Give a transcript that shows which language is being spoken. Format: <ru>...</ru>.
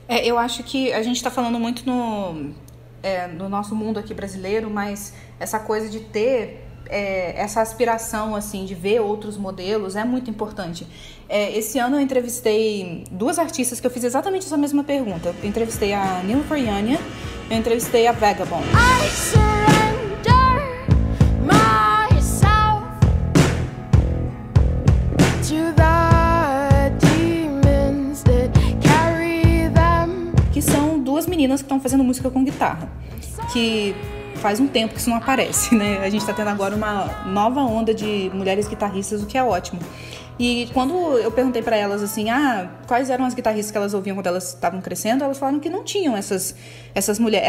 <pt>Eu acho que a gente está falando muito no nosso mundo aqui brasileiro, mas essa coisa de ter essa aspiração, assim, de ver outros modelos é muito importante. Esse ano eu entrevistei duas artistas que eu fiz exatamente essa mesma pergunta. Eu entrevistei a Nina Foriania, eu entrevistei a Vagabond.</pt> <en>I surrender myself to the demons that carry them.</en> <pt>Que são duas meninas que estão fazendo música com guitarra. Que faz um tempo que isso não aparece, né? A gente tá tendo agora uma nova onda de mulheres guitarristas, o que é ótimo. E quando eu perguntei pra elas, assim, quais eram as guitarristas que elas ouviam quando elas estavam crescendo, elas falaram que não tinham essas mulheres.</pt>